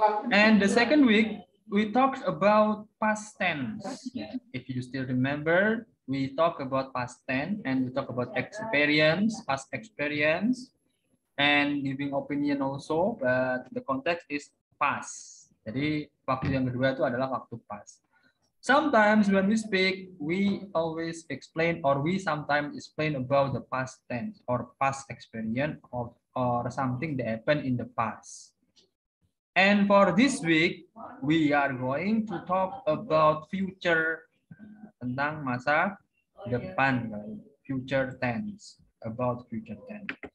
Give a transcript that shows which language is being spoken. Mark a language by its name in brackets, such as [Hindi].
[English] And the second week, we talked about past tense. If you still remember, we talk about past tense and we talk about experience, past experience, and giving opinion also, but the context is past. [Indonesian] Jadi waktu yang kedua itu adalah waktu past. [English] Sometimes when we speak, we always explain or we sometimes explain about the past tense or past experience of or something that happened in the past. And for this week, we are going to talk about future, [Indonesian] tentang masa depan, [English] future tense, about future tense.